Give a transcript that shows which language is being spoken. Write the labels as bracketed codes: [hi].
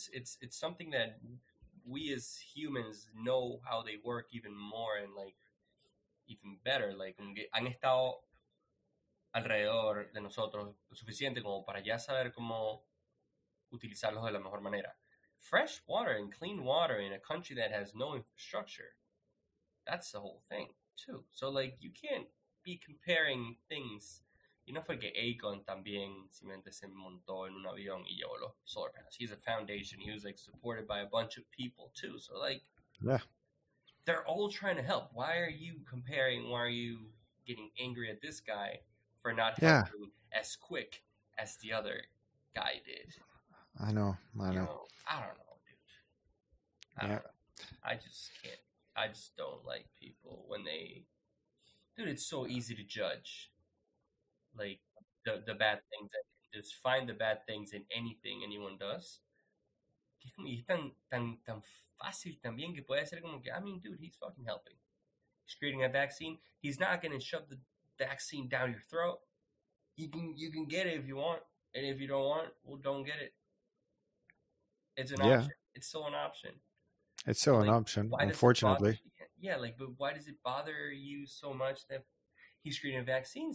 [en] It's something that we as humans know how they work even more and like even better. [es] Like, han estado alrededor de nosotros lo suficiente como para ya saber cómo utilizarlos de la mejor manera. [en] Fresh water and clean water in a country that has no infrastructure, that's the whole thing too. So like, you can't be comparing things. [es] Y no fue que Akon también simplemente se montó en un avión y llevó los [en] solar panels. He's a foundation. He was like supported by a bunch of people too. So like, they're all trying to help. Why are you comparing? Why are you getting angry at this guy for not helping as quick as the other guy did? I know, I know. I don't know, dude. I don't know. I just can't. I just don't like people when they. Dude, it's so easy to judge. Like the bad things, that just find the bad things in anything anyone does. [es] y es tan, tan, tan fácil también que puede ser como que, [en] I mean, dude, he's fucking helping. He's creating a vaccine. He's not going to shove the vaccine down your throat. You can get it if you want. And if you don't want, well, don't get it. It's an option. It's still an option. It's still an option, unfortunately. Yeah, like, but why does it bother you so much that he's creating a vaccine?